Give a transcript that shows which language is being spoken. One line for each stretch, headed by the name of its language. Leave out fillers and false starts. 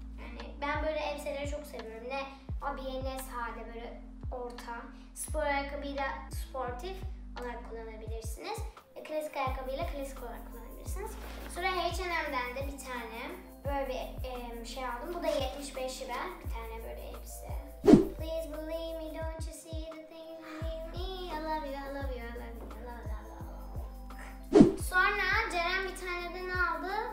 Turkish: Yani ben böyle elbiseleri çok seviyorum. Ne abiye ne sade, böyle orta. Spor ayakkabıyı da sportif olarak kullanabilirsiniz. Klasik ayakkabıyla klasik olarak kullanabilirsiniz. Sonra H&M'den de bir tane böyle bir şey aldım. Bu da 75 lira. Bir tane böyle elbise.
English: Please believe me, don't you see the thing in me? I love you, I love you, I love you, I love you, I love you, I love you.
Turkish: Sonra Ceren bir tane de ne aldı?